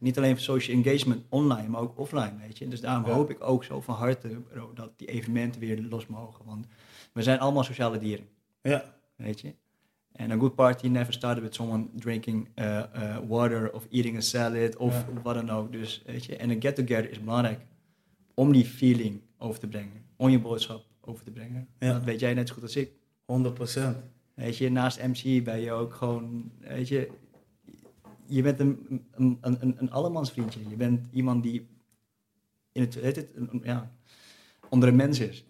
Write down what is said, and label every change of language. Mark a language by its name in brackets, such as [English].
[Dutch] Niet alleen voor social engagement online, maar ook offline. Weet je? Dus daarom hoop ik ook zo van harte dat die evenementen weer los mogen. Want we zijn allemaal sociale dieren. Ja. Weet je? [English] En a good party never started with someone drinking water of eating a salad [Dutch] of wat dan ook. Dus weet je, en een get-together is belangrijk om die feeling over te brengen, om je boodschap over te brengen. Ja. Dat weet jij net zo goed als ik. 100%. Weet je, naast MC ben je ook gewoon, weet je, je bent een allemansvriendje. Je bent iemand die in het, heet het, ja, onder een mens is.